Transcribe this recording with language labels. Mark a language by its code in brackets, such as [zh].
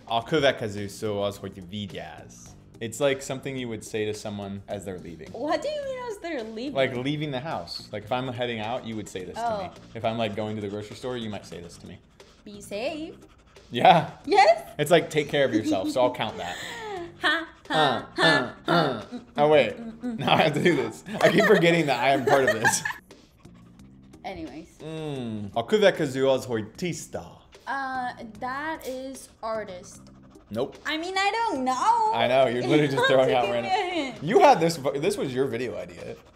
[hu] A következő szó az, hogy vigyázz. [en] It's like something you would say to someone as they're leaving. What do you mean as they're leaving? Like leaving the house. Like if I'm heading out, you would say this to me. If I'm like going to the grocery store, you might say this to me. Be safe. Yeah. Yes. It's like take care of yourself, so I'll count that. Ha, ha, ha. Oh, wait. Now I have to do this. I keep forgetting that I am part of this. Anyways. [hu] A következő az, hogy tiszta. [en] That is artist. Nope. I mean, I don't know. I know, you're literally just throwing out random. You had this, this was your video idea.